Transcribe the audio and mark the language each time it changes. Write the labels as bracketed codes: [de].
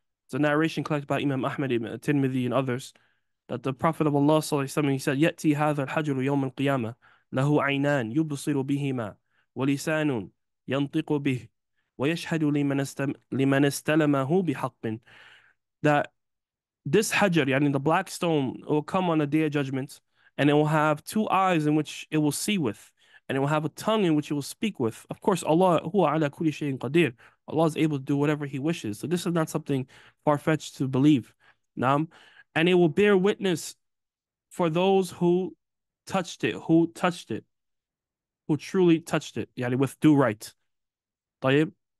[en] It's a narration collected by Imam Ahmad ibn Tirmidhi and others that the Prophet of Allah sallallahu alaihi wasallam, he said, [ar] يَأْتِي هَذَا الْحَجْرُ يَوْمَ الْقِيَامَةِ لَهُ عَيْنَانِ يُبْصِرُ بِهِمَا وَلِسَانٌ يَنْطِقُ بِهِ وَيَشْهَدُ لِمَنْ اسْتَلَمَهُ بِحَقٍّ. [en] That this hajr, yani the black stone, will come on the day of judgment, and it will have two eyes in which it will see with, and it will have a tongue in which it will speak with. Of course, Allah, [ar] هو على كل شيء قدير. [en] Allah is able to do whatever He wishes. So this is not something far-fetched to believe. Naam. And it will bear witness for those who touched it, who touched it, who truly touched it, yani with due right. [ar] طيب.